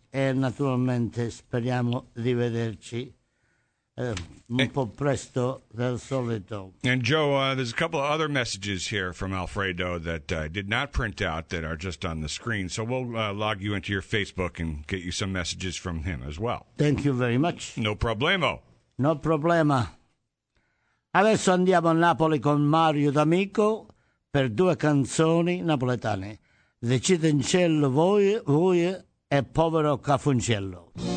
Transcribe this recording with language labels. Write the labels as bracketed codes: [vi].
[it] E naturalmente speriamo di vederci po' presto del solito. [en] And Joe, there's a couple of other messages here from Alfredo that did not print out that are just on the screen. So we'll log you into your Facebook and get you some messages from him as well. Thank you very much. No problemo. No problema. [it] Adesso andiamo a Napoli con Mario D'Amico per due canzoni napoletane. Decide in cielo voi e povero Cafuncello.